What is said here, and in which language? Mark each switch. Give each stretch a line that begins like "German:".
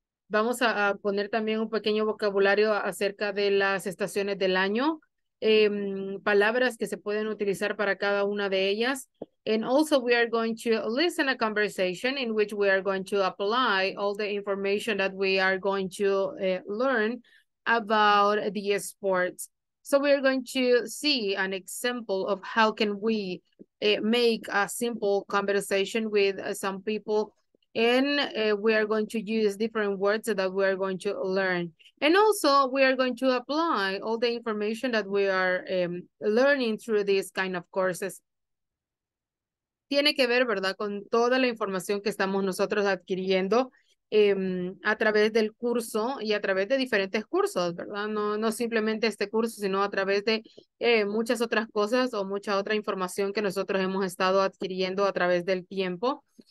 Spanish: Vamos a poner también un pequeño vocabulario acerca de las estaciones del año. Palabras que se pueden utilizar para cada una de ellas.
English: And also we are going to listen a conversation in which we are going to apply all the information that we are going to learn about the sports. So we are going to see an example of how can we make a simple conversation with some people. And we are going to use different words that we are going to learn. And also we are going to apply all the information that we are learning through these kind of courses.
Spanish: Tiene que ver, ¿verdad?, con toda la información que estamos nosotros adquiriendo a través del curso y a través de diferentes cursos, ¿verdad? No simplemente este curso, sino a través de muchas otras cosas o mucha otra información que nosotros hemos estado adquiriendo a través del tiempo.